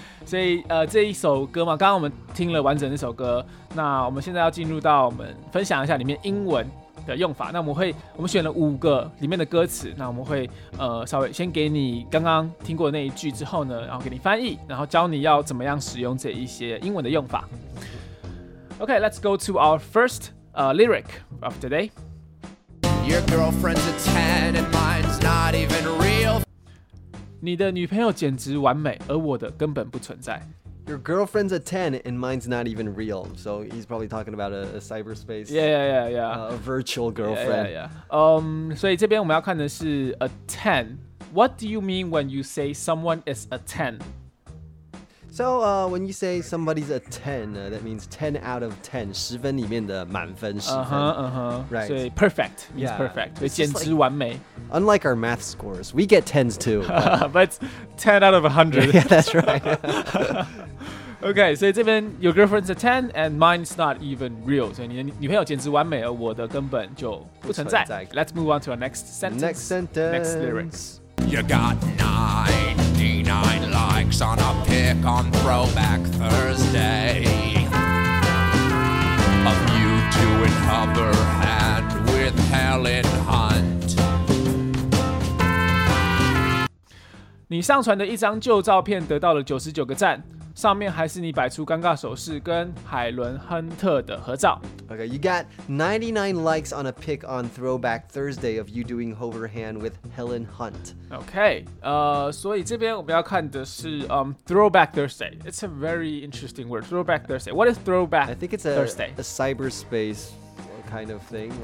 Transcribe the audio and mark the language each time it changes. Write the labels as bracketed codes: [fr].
[zh] 所以这一首歌嘛，刚刚我们听了完整那首歌，那我们现在要进入到我们分享一下里面英文的用法。那我们选了五个里面的歌词，那我们会稍微先给你刚刚听过的那一句之后呢，然后给你翻译，然后教你要怎么样使用这一些英文的用法。 [en] Okay, let's go to our first lyric of today. Your girlfriend's a 10 and mine's not even real. [zh] 你的女朋友简直完美，而我的根本不存在。 [en] Your girlfriend's a 10 and mine's not even real. So he's probably talking about a cyberspace. Yeah. A virtual girlfriend. Yeah. [zh] 所以这边我们要看的是 a 10. [en] What do you mean when you say someone is a 10? So when you say somebody's a 10, that means 10 out of 10. [zh] 十分里面的满分十分。 [en] Right. So perfect means perfect. [zh] 所以简直完美。 [en] Unlike our math scores, we get 10s too. But 10 out of 100. Yeah, that's right. Okay, so this one, your girlfriend's a 10 and mine's not even real. So your [zh] 女朋友简直完美，而我的根本就不存在。 [en] Let's move on to our next sentence. Next sentence. Next lyrics. You got 99 likes on a pic on Throwback Thursday. Of you two in hover hand with Helen Hunt. [zh] 你上传的一张旧照片得到了99个赞，上面还是你摆出尴尬手势跟海伦·亨特的合照。 [en] Okay, you got 99 likes on a pic on Throwback Thursday of you doing overhand with Helen Hunt. [zh] Okay, 所以这边我们要看的是Throwback Thursday. [en] It's a very interesting word, Throwback Thursday. What is Throwback Thursday? I think it's a cyberspace kind of thing, right?